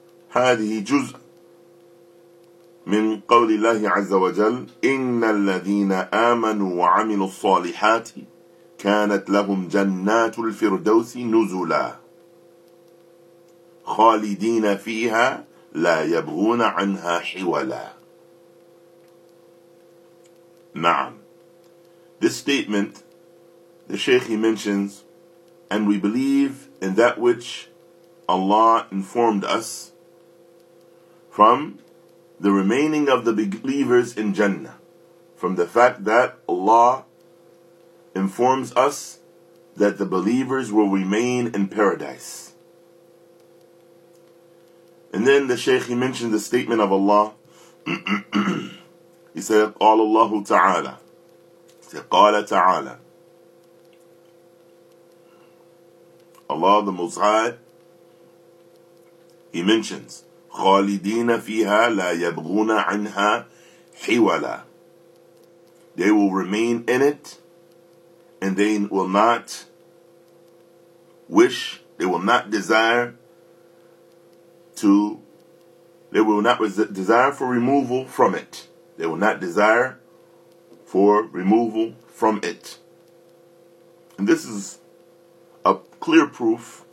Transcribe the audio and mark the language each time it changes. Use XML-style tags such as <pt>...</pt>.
<ar>هذه جزء من قول الله عز وجل إن الذين آمنوا وعملوا الصالحات كانت لهم جنات الفردوس نزلا خالدين فيها لا يبغون عنها حولا. نعم.</ar> <en>This statement the Sheikh he mentions, and we believe in that which Allah informed us from the remaining of the believers in Jannah, from the fact that Allah informs us that the believers will remain in paradise. And then the Shaykh, he mentioned the statement of Allah. He said,</en> <ar>قال الله تعالى. He said, قال تعالى.</ar> <en>Allah the Most High, he mentions,</en> <ar>خالدين فيها لا يبغون عنها حولا.</ar> <en>They will remain in it, and they will not wish, they will not desire to, they will not desire for removal from it. They will not desire for removal from it. And this is a clear proof</en>